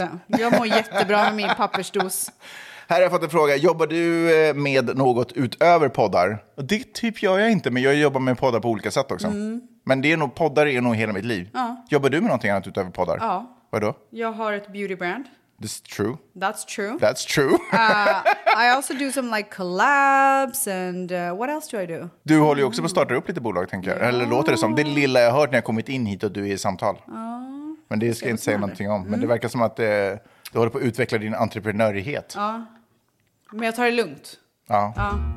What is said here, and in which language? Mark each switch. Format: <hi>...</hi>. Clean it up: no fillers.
<sv>Absolut inte. Jag mår jättebra med min pappersdos. Här har jag fått en fråga. Jobbar du med något utöver poddar? Det typ gör jag inte, men jag jobbar med poddar på olika sätt också. Mm. Men det är nog, poddar är nog hela mitt liv. Ja. Jobbar du med någonting annat utöver poddar? Ja. Vadå? Jag har ett beauty brand.</sv> <en>That's true. That's true. That's true. I also do some like collabs and what else do I do?</en> <sv>Du håller ju också på att starta upp lite bolag, tänker jag. Ja. Eller låter det som det lilla jag hört när jag kommit in hit och du är i samtal. Ja. Men det ska jag inte säga någonting om. Men det verkar som att du håller på att utveckla din entreprenörighet. Ja. Men jag tar det lugnt. Ja. Ja.</sv>